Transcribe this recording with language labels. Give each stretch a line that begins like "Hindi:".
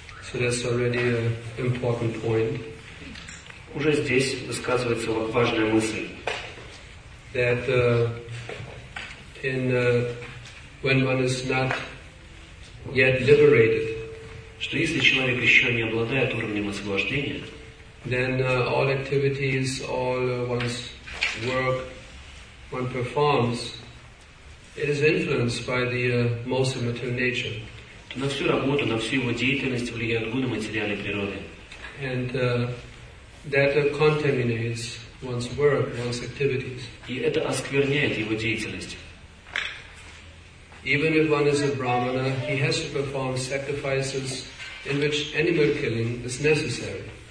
English: So that's already an important point.
Russian: Уже здесь высказывается важная мысль.
English: That when one is not yet liberated,
Russian: что если человек еще не обладает уровнем освобождения,
English: then all activities, all one's work, one performs, it is influenced by the most immature nature.
Russian: То на всю работу, на всю его деятельность влияют гуны материальной природы.
English: And that contaminates one's work, one's activities.
Russian: И это оскверняет его деятельность.
English: Even if one is a brahmana, he has to perform sacrifices in which animal killing is necessary.